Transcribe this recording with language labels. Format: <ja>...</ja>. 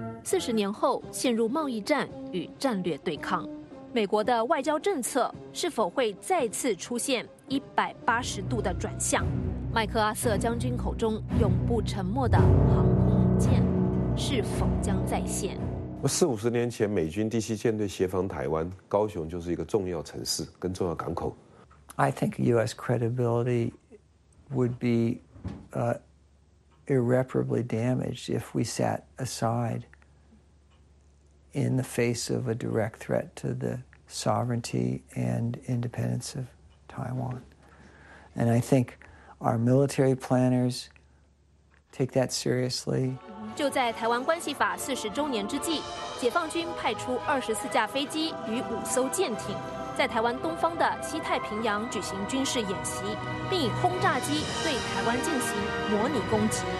<zh>四十年后陷入贸易战与战略对抗，美国的外交政策是否会再次出现180度的转向？麦克阿瑟将军口中永不沉默的航空舰是否将再现？四五十年前美军第七舰队协防台湾，高雄就是一个重要城市跟重要港口。</zh> <en>I think U.S. credibility would be irreparably damaged if we sat aside. In the face of a direct threat to the sovereignty and independence of Taiwan. And I think our military planners take that seriously.</en> <zh>就在台湾关系法四十周年之际，解放军派出24架飞机与5艘舰艇，在台湾东方的西太平洋举行军事演习，并以轰炸机对台湾进行模拟攻击。</zh>